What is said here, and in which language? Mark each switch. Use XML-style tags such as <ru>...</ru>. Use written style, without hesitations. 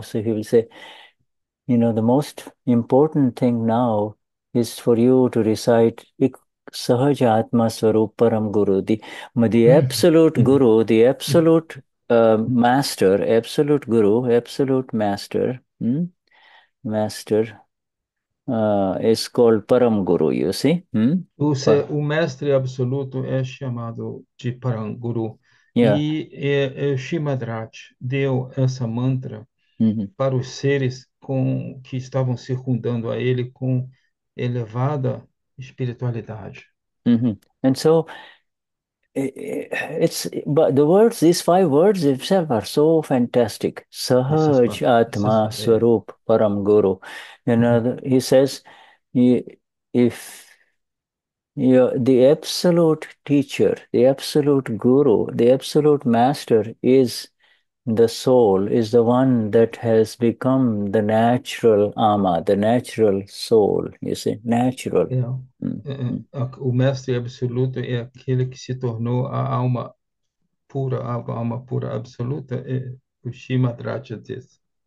<en>So he will say, you know, the most important thing now is for you to recite Sahaja Atma Swarup Param Guru, the absolute guru, the absolute master, absolute guru, absolute master, master is called Param Guru, you see?</en> <pt>Você, o mestre absoluto é chamado de Paranguru,</pt> <en>Yeah.</en> <pt>e Shimadrat deu essa mantra para os seres com que estavam circundando a ele com elevada espiritualidade.</pt> <en>And so it's but the words, these five words itself are so fantastic. Sahaj Atma Swarup Param Guru. Another, he says, if the absolute teacher, the absolute guru, the absolute master is the soul, is the one that has become the natural Ama, the natural soul, you see, natural.</en> <pt>O mestre absoluto é aquele que se tornou a alma pura absoluta, é o Shimadrata disso.</pt>